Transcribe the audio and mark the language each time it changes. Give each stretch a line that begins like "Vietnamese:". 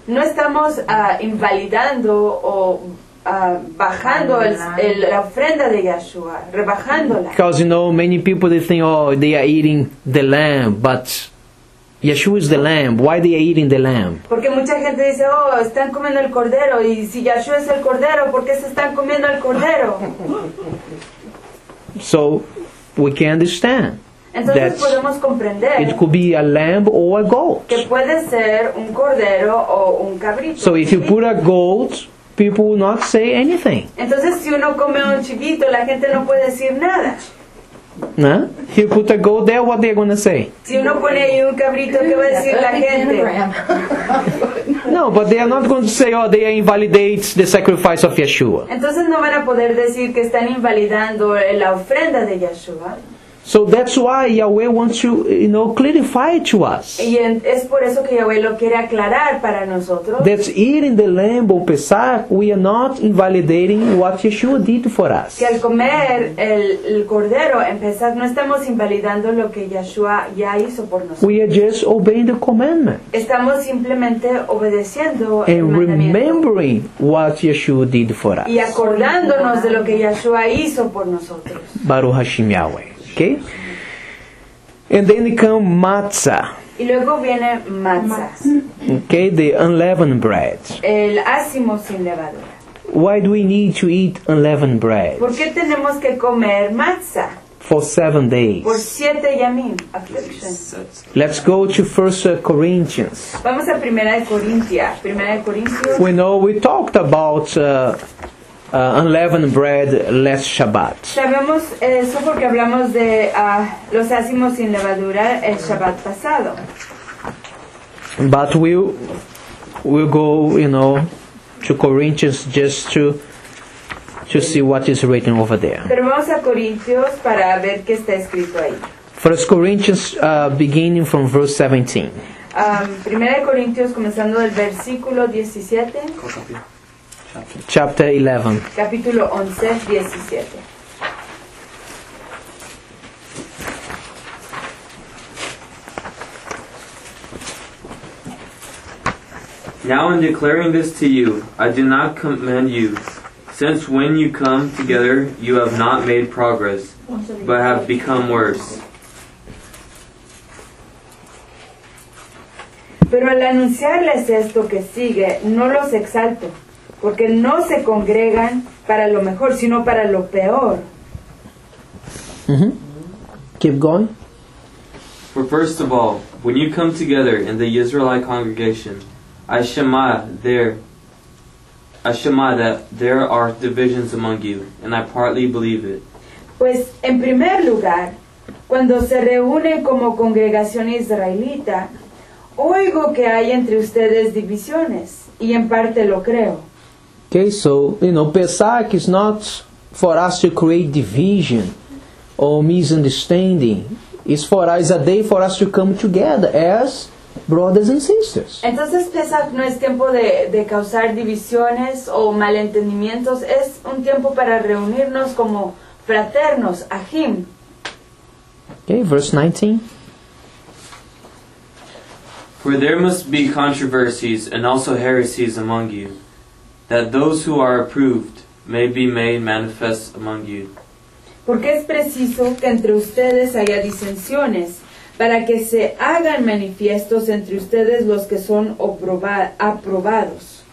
Spanish: No estamos invalidando o bajando la ofrenda de Yeshua, rebajándola.
English: Because, you know, many people, they think, oh, they are eating the lamb, but Yeshua is the lamb. Why they are eating the lamb?
Spanish: Porque mucha gente dice, oh, están comiendo el cordero. Y si Yeshua es el cordero, ¿por qué se están comiendo el cordero?
English: So, we can understand.
Spanish: Entonces podemos comprender.
English: It could be a lamb or a goat.
Spanish: Que puede ser un cordero o un cabrito.
English: So, if you put a goat, people will not say anything.
Spanish: Entonces, si uno come un chivito, la gente no puede decir nada.
English: No? You put a goat there, what they are going to say?
Spanish: Si uno pone ahí un cabrito, ¿qué va a decir la gente?
English: No, but they are not going to say, oh, they invalidate the sacrifice of Yeshua.
Spanish: Entonces no van a poder decir que están invalidando la ofrenda de Yeshua.
English: So that's why Yahweh wants to, you know, clarify it to us.
Spanish: Y es por eso que Yahweh lo quiere aclarar para nosotros.
English: That eating the lamb or Pesach, we are not invalidating what Yeshua did for us.
Spanish: Que al comer el cordero en Pesach, no estamos invalidando lo que Yeshua ya hizo por nosotros.
English: We are just obeying the commandment.
Spanish: Estamos simplemente obedeciendo el mandamiento.
English: And remembering what Yeshua did for us.
Spanish: Y acordándonos de lo que Yeshua hizo por nosotros.
Hebrew: Baruch Hashem Yahweh.
English: Okay, and then come matzah.
Spanish: Y luego viene matzah.
English: Okay, the unleavened bread.
Spanish: El ázimo sin levadura.
English: Why do we need to eat unleavened bread?
Spanish: ¿Por qué tenemos que comer matzah?
English: For 7 days.
Spanish: Por siete yamim, afflictions.
English: Let's go to 1 Corinthians.
Spanish: Vamos a Primera de Corintia. Primera de Corintios.
English: We know we talked about unleavened bread last Shabbat.
Spanish: Sabemos eso porque hablamos de los ácimos sin levadura el Shabbat pasado.
English: But we'll go, you know, to Corinthians just to see what is written over there.
Spanish: Pero vamos a Corintios para ver qué está escrito ahí.
English: First Corinthians beginning from verse 17.
Spanish: Primera de Corintios comenzando del versículo 17.
English: Chapter 11.
Spanish: Capítulo 11, 17.
English: Now in declaring this to you, I do not commend you, since when you come together, you have not made progress, but have become worse.
Spanish: Pero al anunciarles esto que sigue, no los exalto, porque no se congregan para lo mejor, sino para lo peor.
English: Mm-hmm. Keep going. For first of all, when you come together in the Israelite congregation, I shema that there are divisions among you, and I partly believe it.
Spanish: Pues, en primer lugar, cuando se reúnen como congregación israelita, oigo que hay entre ustedes divisiones, y en parte lo creo.
English: Okay, so, you know, Pesach is not for us to create division or misunderstanding. It's for us, a day for us to come together as brothers and sisters.
Spanish: Entonces, Pesach no es tiempo de causar divisiones o malentendimientos. Es un tiempo para reunirnos como fraternos, ahim.
English: Okay, verse 19. For there must be controversies and also heresies among you, that those who are approved may be made manifest among you.
Spanish: Porque es preciso que entre ustedes haya disensiones, para que se hagan manifiestos entre ustedes los que son aprobados.